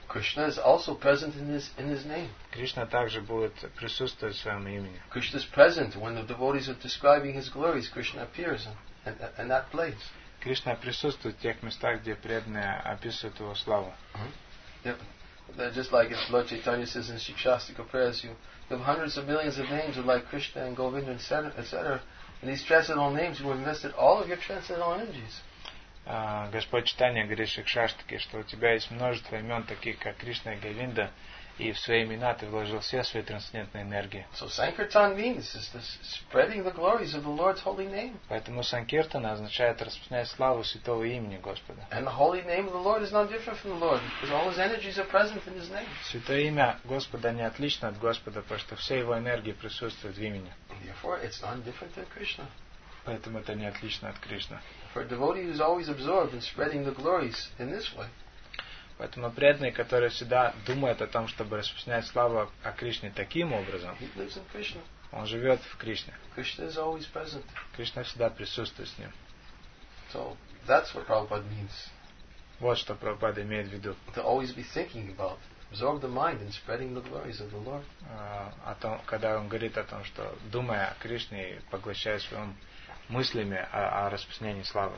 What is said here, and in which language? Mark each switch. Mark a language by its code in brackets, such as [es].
[en] Krishna is also present in his name. [ru] Кришна также будет присутствовать в своем имени. [en] Krishna is present when the devotees are describing his glories. Krishna appears in that place. [ru] Кришна присутствует в тех местах, где преданные описывают его славу. [en] Mm-hmm. Yep. Just like Lord Chaitanya says in Shikshastika prayers, you have hundreds of millions of names of like Krishna and Govinda and etc. And these transcendental names, you have invested all of your transcendental energies. [ru] Господь Читания говорит в Шикшаштике, что у тебя есть множество имен, таких как Кришна и Говинда, и в свои имена ты вложил все свои трансцендентные энергии. [en] So sankirtan means is the spreading the glories of the Lord's holy name. [ru] Поэтому санкиртана означает распространять славу святого имени Господа. [en] And the holy name of the Lord is not different from the Lord, because all his energies are present in his name. [ru] Святое имя Господа не отлично от Господа, потому что все его энергии присутствуют в имени. [en] Therefore, it's not different than Krishna. [ru] Поэтому это не отлично от Кришны. [en] For a devotee who is always absorbed in spreading the glories in this way. [ru] Поэтому преданный, который всегда думает о том, чтобы распространять славу о Кришне таким образом, [en] he lives in Krishna. [ru] Он живет в Кришне. [en] Krishna is always present. [ru] Кришна всегда присутствует с ним. [en] So that's what Prabhupada means. [ru] Вот что Прабхупада имеет в виду. [en] To always be thinking about, absorb the mind in spreading the glories of the Lord. [ru] О том, когда он говорит о том, что думая о Кришне, поглощая свой ум мыслями о распространении славы